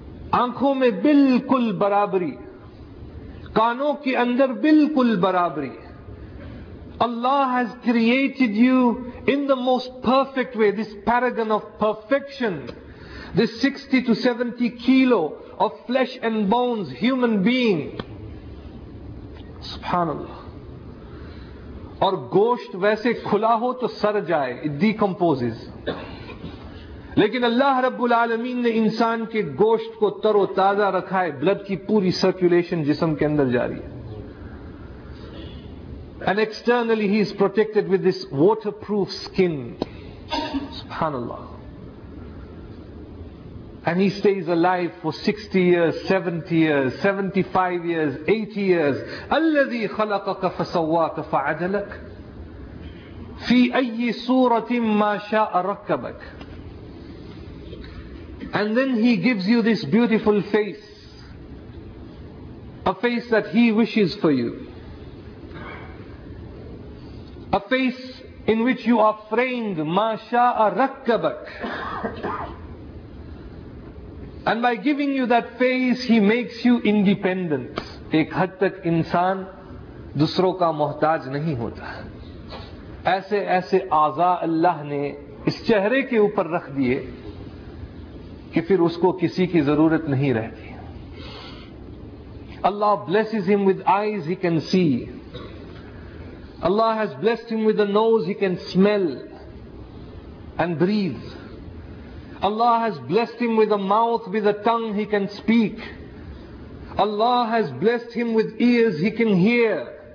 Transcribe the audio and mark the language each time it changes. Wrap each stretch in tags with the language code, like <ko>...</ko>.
<ur>آنکھوں میں بالکل برابری, کانوں کے اندر بالکل برابری.</ur> <en>Allah has created you in the most perfect way, this paragon of perfection, this 60 to 70 kilo of flesh and bones, human being.</en> <ar>Subhanallah.</ar> <ur>اور گوشت ویسے کھلا ہو تو سر جائے,</ur> <en>it decomposes.</en> <ur>لیکن اللہ رب العالمین نے انسان کے گوشت کو تر و تازہ رکھا ہے, بلڈ کی پوری سرکولیشن جسم کے اندر جاری ہے.</ur> <en>And externally he is protected with this waterproof skin.</en> <ar>Subhanallah.</ar> <en>And he stays alive for 60 years, 70 years, 75 years, 80 years.</en> <ar>الَّذِي خَلَقَكَ فَسَوَّاكَ فَعَدَلَكَ فِي أَيِّ سُورَةٍ مَا شَاءَ رَكَّبَكَ.</ar> <en>And then He gives you this beautiful face, a face that He wishes for you, a face in which you are framed,</en> <ar>مَا شَاءَ رَكَّبَكَ.</ar> <en>And by giving you that face, He makes you independent.</en> <ur>ایک حد تک انسان دوسروں کا محتاج نہیں ہوتا. ایسے ایسے اعضاء اللہ نے اس چہرے کے اوپر رکھ دیئے کہ پھر اس کو کسی کی ضرورت نہیں رہتی.</ur> <en>Allah blesses him with eyes he can see. Allah has blessed him with a nose he can smell and breathe. Allah has blessed him with a mouth, with a tongue he can speak. Allah has blessed him with ears he can hear.</en>